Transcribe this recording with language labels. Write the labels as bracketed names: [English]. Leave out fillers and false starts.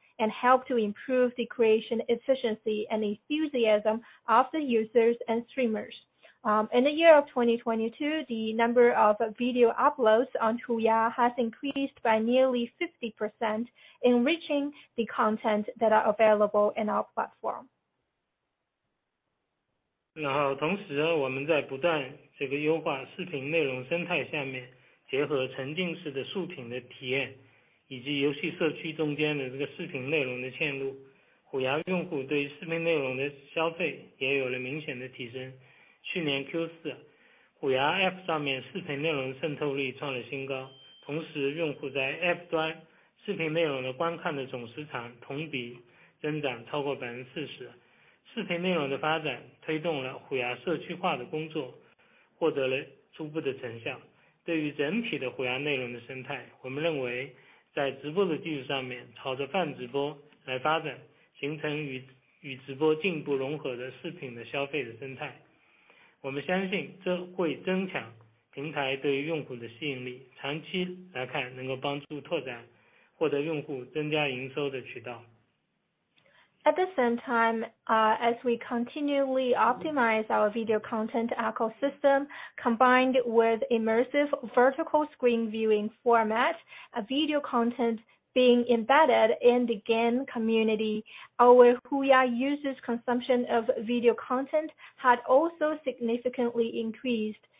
[English] And help to improve the creation efficiency and enthusiasm of the users and streamers. In the year of 2022, the number of video uploads on HUYA has increased by nearly 50%, enriching the content that are available in our platform. [Chinese] 然后同时我们在不断这个优化视频内容生态下面，结合沉浸式的竖屏的体验以及游戏社区中间的这个视频内容的嵌入，虎牙用户对视频内容的消费也有了明显的提升。去年 Q4， 虎牙 App 上面视频内容渗透率创了新高，同时用户在 App 端视频内容的观看的总时长同比增长超过40%。视频内容的发展推动了虎牙社区化的工作，获得了初步的成效。对于整体的虎牙内容的生态，我们认为在直播的基础上面，朝着泛直播来发展，形成与直播进一步融合的视频的消费的生态。我们相信这会增强平台对于用户的吸引力，长期来看能够帮助拓展获得用户增加营收的渠道。 [English] At the same time, as we continually optimize our video content ecosystem, combined with immersive vertical screen viewing format, a video content being embedded in the game community, our HUYA users' consumption of video content had also significantly increased.